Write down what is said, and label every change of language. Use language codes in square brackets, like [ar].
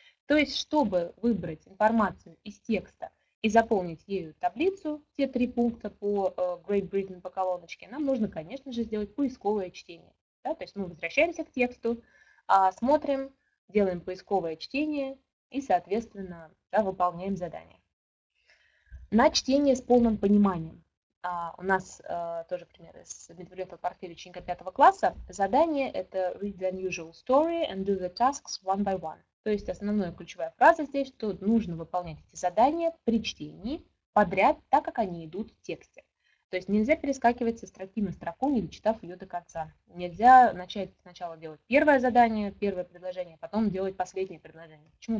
[ru] То есть, чтобы выбрать информацию из текста и заполнить ею таблицу, те три пункта по Great Britain по колоночке, нам нужно, конечно же, сделать поисковое чтение. Да? То есть мы возвращаемся к тексту, смотрим, делаем поисковое чтение и, соответственно, да, выполняем задание. На чтение с полным пониманием. У нас тоже пример из метапредметного портфеля ученика 5 класса. Задание – это [en] read the unusual story and do the tasks one by one. [ru] То есть основная ключевая фраза здесь, что нужно выполнять эти задания при чтении подряд, так как они идут в тексте. То есть нельзя перескакивать со строки на строку, не дочитав ее до конца. Нельзя начать сначала делать первое задание, первое предложение, а потом делать последнее предложение. Почему?